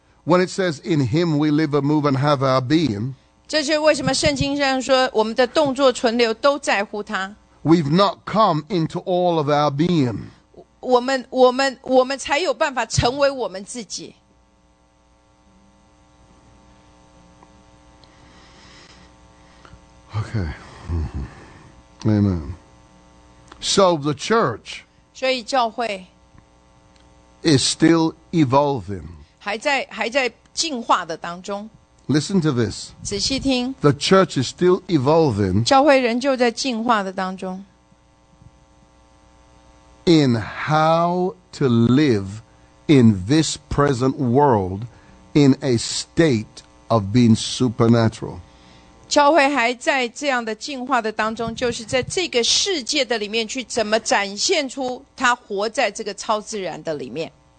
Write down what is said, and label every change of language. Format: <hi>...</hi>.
<en>When it says, in him we live and move and have our being.</en> <zh>这是为什么圣经上说我们的动作存留都在乎他。</zh> <en>We've not come into all of our being.</en> <zh>我们才有办法成为我们自己。</zh> <en>Okay. Amen. So the church.</en> <zh>所以教会</zh> <en>is still evolving.</en> <zh>还在进化的当中。</zh> <en>Listen to this.</en> <zh>仔细听。</zh> <en>The church is still evolving.</en> <zh>教会仍旧在进化的当中。</zh> <en>In how to live in this present world in a state of being supernatural.</en> <zh>教会还在这样的进化的当中，就是在这个世界的里面去怎么展现出他活在这个超自然的里面。</zh>